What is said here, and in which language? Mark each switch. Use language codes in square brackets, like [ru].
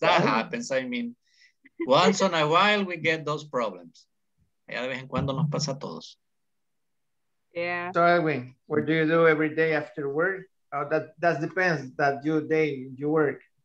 [en] I mean, once in a while, we get those problems. [es] Ya de vez en cuando nos pasa a todos. [en] Yeah. So Edwin, what do you do every day after work? Oh, that depends that you day you work.